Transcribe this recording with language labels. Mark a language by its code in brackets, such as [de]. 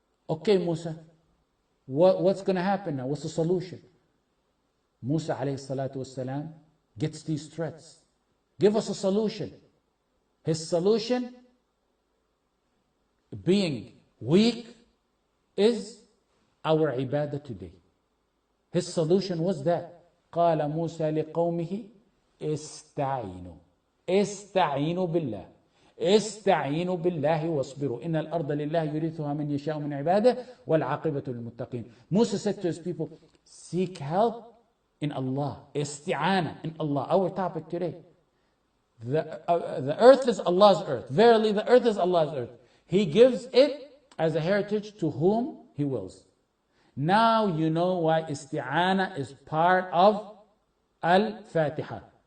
[en] Okay, Musa, what's going to happen now? What's the solution? Musa, alayhi salatu wasalam, gets these threats. Give us a solution. His solution, being weak, is our ibadah today. His solution was that. [ar] قال موسى لقومه استعينوا استعينوا بالله استعينوا بالله واصبروا إن الأرض لله يورثها من يشاء من عباده والعاقبة للمتقين. [en] موسى said to his people, seek help in Allah. استعانة in Allah. Our topic today. The earth is Allah's earth. Verily the earth is Allah's earth. He gives it as a heritage to whom he wills. Now you know why isti'ana is part of Al-Fatiha.